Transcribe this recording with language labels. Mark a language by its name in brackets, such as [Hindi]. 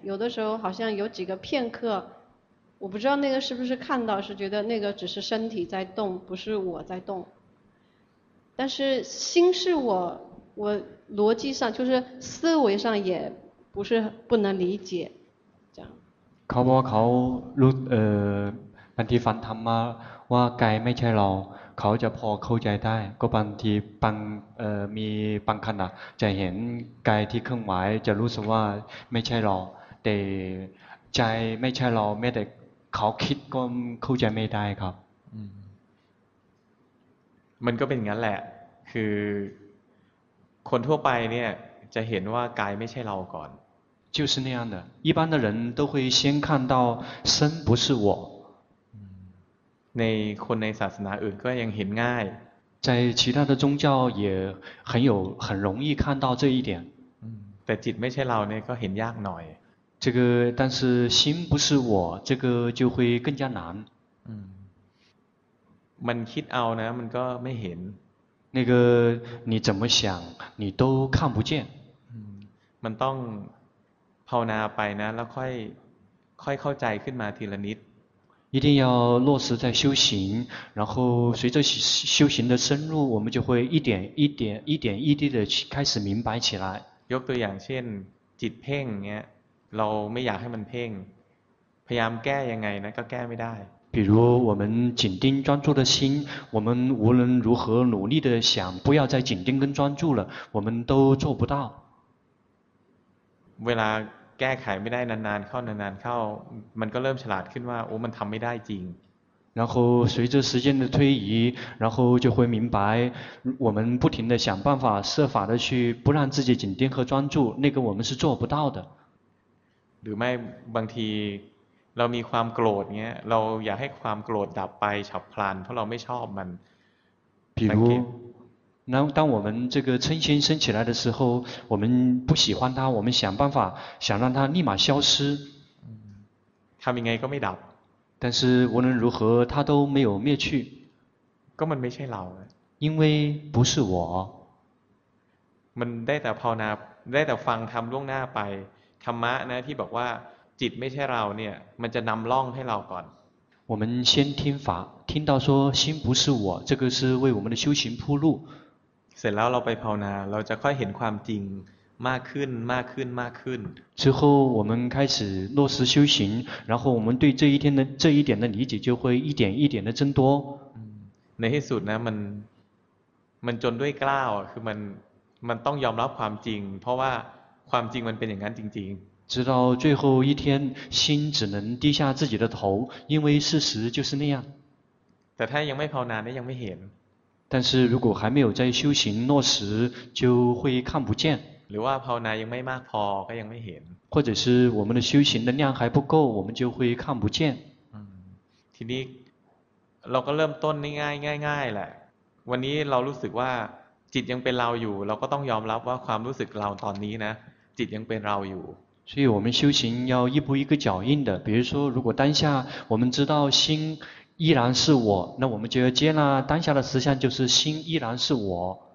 [Chinese] 有的时候好像有几个片刻，我不知道那个是不是看到，是觉得那个只是身体在动，不是我在动。但是心是我逻辑上就是思维上也不是不能理解，这样。 [Thai] เขาบอกเขาลุกบางทีฟังธรรมะว่ากายไม่ใช่เราเขาจะพอเข้าใจได้ก็บางทีบางมีบางขณะจะเห็นกายที่เคลื่อนไหวจะรู้สึกว่าไม่ใช่เราแต่ใจไม่ใช่เราแม้แต่เขาคิดก็เข้าใจไม่ได้ครับ มันก็เป็นงั้นแหละคือคนทั่วไปเนี่ยจะเห็นว่ากายไม่ใช่เราก่อน [Chinese] 就是那样的一般的人都会先看到身不是我 [Thai] ในคนในศาสนาอื่นก็ยังเห็นง่าย [Chinese] 在其他的宗教也很容易看到这一点 [Thai] แต่จิตไม่ใช่เราเนี่ยก็เห็นยากหน่อย [Chinese] 这个但是心不是我这个就会更加难 [Thai] มันคิดเอานะมันก็ไม่เห็น [Chinese] 那个你怎么想你都看不见 [Thai] มันต้องภาวนาไปนะแล้วค่อยเข้าใจขึ้นมาทีละนิด [Chinese] 一定要落实在修行，然后随着修行的深入，我们就会一点一点、一点一滴的开始明白起来。 [Thai] ยกตัวอย่างเช่นจิตเพ่งเนี้ยเราไม่อยากให้มันเพ่งพยายามแก้ยังไงนะก็แก้ไม่ได้ [Chinese] 比如我们紧盯专注的心，我们无论如何努力的想不要再紧盯跟专注了，我们都做不到。 [Thai] เวลาแก้ไขไม่ได้นานๆเข้านานๆเข้ามันก็เริ่มฉลาดขึ้นว่าโอ้มันทำไม่ได้จริง [Chinese] 然后随着时间的推移然后就会明白我们不停的想办法设法的去不让自己紧盯和专注那个我们是做不到的 [Thai] หรือไม่บางทีเรามีความโกรธเงี้ยเราอยากให้ความโกรธดับไปฉับพลันเพราะเราไม่ชอบมัน [Chinese] 比如那当我们这个嗔心升起来的时候，我们不喜欢它，我们想办法想让它立马消失。 [Thai] ทำยังไงก็ไม่ดับ。 [Chinese] 但是无论如何，它都没有灭去。 [Thai] ก็มันไม่ใช่เรา。 [Chinese] 因为不是我。 [Thai] มันได้แต่ภาวนาได้แต่ฟังธรรมล่วงหน้าไปธรรมะนะที่บอกว่าจิตไม่ใช่เราเนี่ยมันจะนำร่องให้เราก่อน。 [Chinese] 我们先听法，听到说心不是我，这个是为我们的修行铺路。 [Thai] เสร็จแล้วเราไปภาวนาเราจะค่อยเห็นความจริงมากขึ้นมากขึ้นมากขึ้น [Chinese] 之后我们开始落实修行然后我们对这一天的这一点的理解就会一点一点的增多 [Thai] ในที่สุดนะมันจนด้วยกล้าวคือมันต้องยอมรับความจริงเพราะว่าความจริงมันเป็นอย่างนั้นจริง [Chinese] ๆ直到最后一天心只能低下自己的头因为事实就是那样 [Thai] แต่ถ้ายังไม่ภาวนาเนี่ยยังไม่เห็น [Chinese] 但是如果还没有在修行落实就会看不见 [Thai] หรือว่าภาวนายังไม่มากพอก็ยังไม่เห็น [Chinese] 或者是我们的修行的量还不够我们就会看不见 [Thai] ทีนี้เราก็เริ่มต้นง่ายง่ายๆแหละวันนี้เรารู้สึกว่าจิตยังเป็นเราอยู่เราก็ต้องยอมรับว่าความรู้สึกเราตอนนี้นะจิตยังเป็นเราอยู่ [Chinese] 所以我们修行要一步一个脚印的比如说如果当下我们知道心依然是我那我们就要接纳当下的实相就是心依然是我